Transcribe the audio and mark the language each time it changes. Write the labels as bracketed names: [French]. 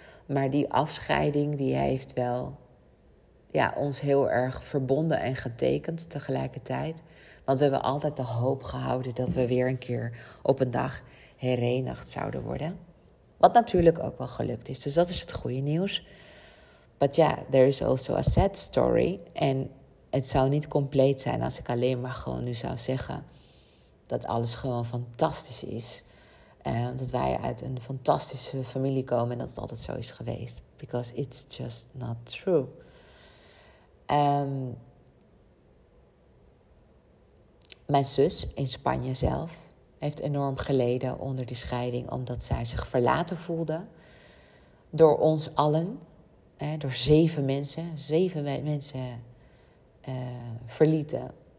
[Dutch] Maar die afscheiding die heeft wel ons heel erg verbonden en getekend tegelijkertijd. Want we hebben altijd de hoop gehouden dat we weer een keer op een dag herenigd zouden worden. Wat natuurlijk ook wel gelukt is. Dus dat is het goede nieuws. [English] But there is also a sad story. [Dutch] En het zou niet compleet zijn als ik alleen maar gewoon nu zou zeggen dat alles gewoon fantastisch is. Dat wij uit een fantastische familie komen en dat het altijd zo is geweest. [English] Because it's just not true. [Dutch] Mijn zus in Spanje zelf heeft enorm geleden onder die scheiding, omdat zij zich verlaten voelde door ons allen. Door 7 mensen. 7 mensen verlieten.